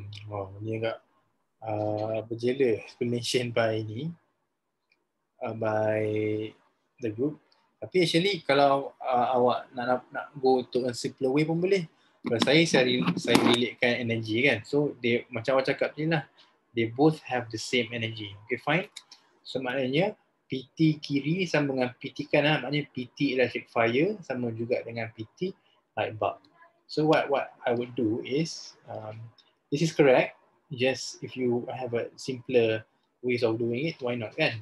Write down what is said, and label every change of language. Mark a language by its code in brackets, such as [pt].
[ms] Wow, ni agak berjela explanation by ini, by the group. Tapi actually kalau awak nak [en] go to a simpler way [ms] pun boleh. Kalau saya relatekan energy kan. So dia macam awak cakap ni lah, [en] they both have the same energy. Okay, fine. [ms] So maknanya PT kiri sama dengan PT kanan, maknanya PT electric fire sama juga dengan PT light bulb. [en] So what I would do is this is correct. Just if you have a simpler ways of doing it, why not kan?